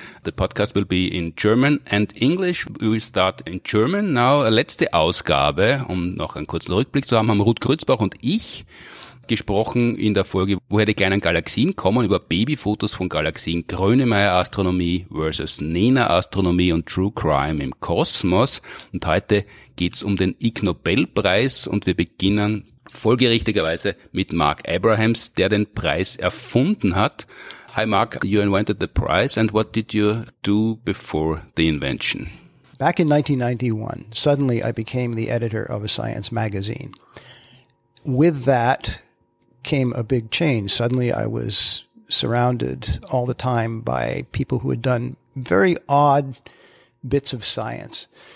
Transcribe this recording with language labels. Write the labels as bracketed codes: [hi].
[en] The podcast will be in German and English. We will start in German now. [de] Letzte Ausgabe, um noch einen kurzen Rückblick zu haben, haben Ruth Grützbach und ich gesprochen in der Folge, woher die kleinen Galaxien kommen, über Babyfotos von Galaxien, Grönemeyer-Astronomie versus Nena-Astronomie und True Crime im Kosmos. Und heute geht es um den Ig Nobel-Preis und wir beginnen folgerichtigerweise mit Mark Abrahams, der den Preis erfunden hat. [en] Hi Mark, you invented the prize and what did you do before the invention? Back in 1991, suddenly I became the editor of a science magazine. With that came a big change. Suddenly I was surrounded all the time by people who had done very odd bits of science.